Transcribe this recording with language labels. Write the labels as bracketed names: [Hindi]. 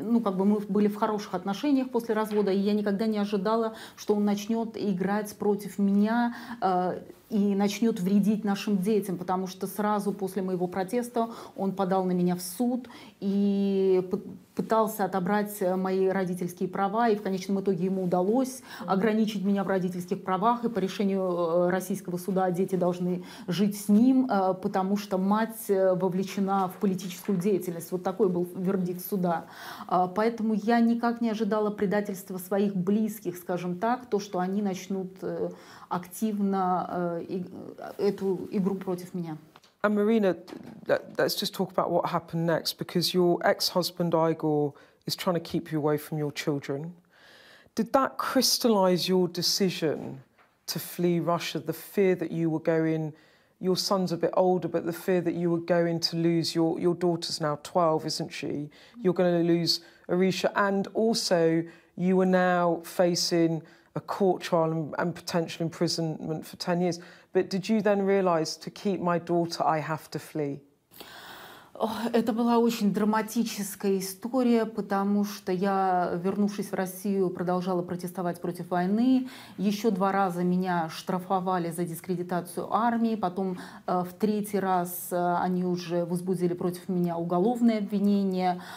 [Russian] Ну, как бы мы были в хороших отношениях после развода, и я никогда не ожидала, что он начнет играть против меня и начнет вредить нашим детям, потому что сразу после моего протеста он подал на меня в суд и пытался отобрать мои родительские права, и в конечном итоге ему удалось ограничить меня в родительских правах, и по решению российского суда дети должны жить с ним, потому что мать вовлечена в политическую деятельность. Вот такой был вердикт суда. Поэтому я никак не ожидала предательства своих близких, скажем так, то, что они начнут активно эту игру против меня. [English] And Marina, let's just talk about what happened next, because your ex-husband Igor is trying to keep you away from your children. Did that crystallize your decision to flee Russia, the fear that you were going, your son's a bit older, but the fear that you were going to lose your daughter's now 12, isn't she? You're going to lose Arisha, and also you are now facing a court trial and potential imprisonment for 10 years. But did you then realize, to keep my daughter, I have to flee? [Russian] Это была очень драматическая история, потому что я, вернувшись в Россию, продолжала протестовать против войны. Еще два раза меня штрафовали за дискредитацию армии. Потом в третий раз они уже возбудили против меня уголовные обвинения.